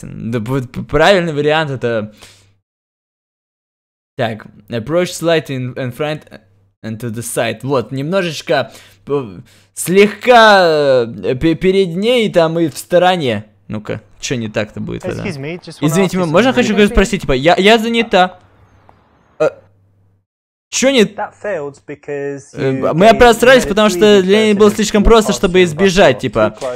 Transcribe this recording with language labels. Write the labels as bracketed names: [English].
[Russian] Да, правильный вариант это... [English] Так, approach slightly in front and to the side. [Russian] Вот, немножечко, слегка перед ней там и в стороне. Ну-ка, что не так-то будет? [English] Excuse [Russian] тогда? [English] Me, [Russian] извините, можно хочу кое-что спросить? Типа, я занята. Чё не... Мы просрались, потому что для нее было слишком просто, чтобы избежать, типа.